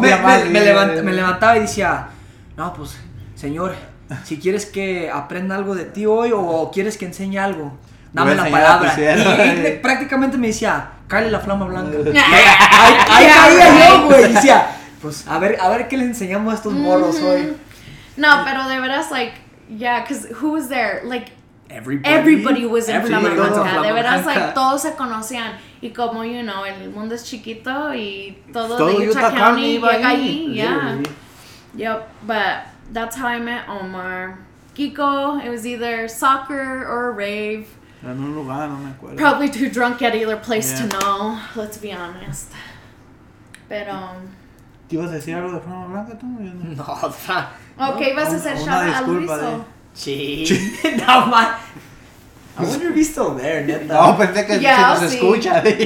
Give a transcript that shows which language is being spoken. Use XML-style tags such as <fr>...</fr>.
<es>Me levantaba y decía, no, pues, Señor, si quieres que aprenda algo de ti hoy o quieres que enseñe algo, dame la palabra. Y prácticamente me decía, cale la Flama Blanca. Ahí caía yo, güey. Decía, pues, a ver qué le enseñamos a estos morros hoy. No, pero de veras,</es> <en>like, yeah, because who was there? Like, Everybody was in Flama Blanca.</en> <es>De veras,</es> <en>like,</en> <es>todos se conocían. Y como,</es> <en>you know,</en> <es>el mundo es chiquito y todo de Utah County llega allí.</es> <en>Yeah. Yep, but that's how I met Omar. Kiko, it was either soccer or a rave.</en> <es>En un lugar, no me acuerdo.</es> <en>Probably too drunk at either place to know, let's be honest.</en> <es>Pero... ¿Te ibas a decir algo de Flama Blanca tú? No. Ok, ibas a hacer</es> <en>shout out</en> <es>a Luiso. Ching.</es> <en>No, man. I wonder if he's still there,</en> <es>neta. No, pensé que yeah, se nos escucha.</es>